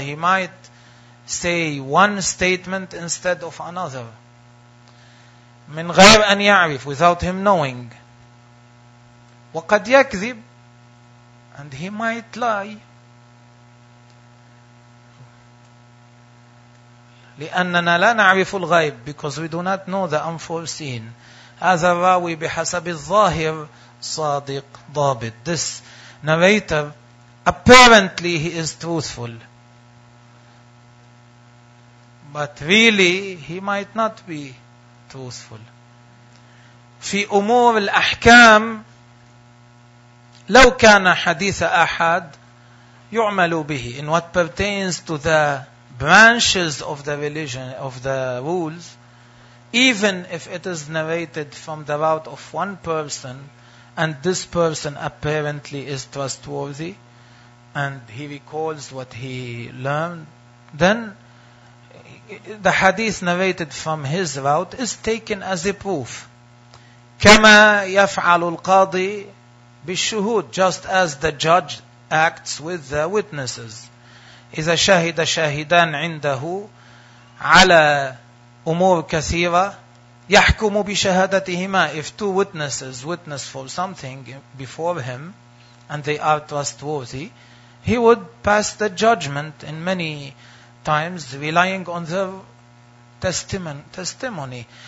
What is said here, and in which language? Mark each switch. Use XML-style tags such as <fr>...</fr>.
<en>He might say one statement instead of another.</en> <ar>من غير أن يعرف,</ar> <en>without him knowing.</en> <ar>وقد يكذب,</ar> <en>and he might lie.</en> <ar>لأننا لا نعرف الغيب,</ar> <en>because we do not know the unforeseen.</en> <ar>هذا الراوي بحسب الظاهر صادق ضابط.</ar> <en>This narrator, apparently he is truthful. But really, he might not be truthful.</en> <ar>في أمور الأحكام, لو كان حديث أحد يعمل به.</ar> <en>In what pertains to the branches of the religion, of the rules, even if it is narrated from the route of one person, and this person apparently is trustworthy, and he recalls what he learned, then the hadith narrated from his route is taken as a proof.</en> <ar>كما يفعل القاضي بالشهود,</ar> <en>just as the judge acts with the witnesses.</en> <ar>إذا شهد شاهدان عنده على أمور كثيرة يحكم بشهادتهما.</ar> <en>If two witnesses witness for something before him and they are trustworthy, he would pass the judgment in many times relying on their testimony.</en>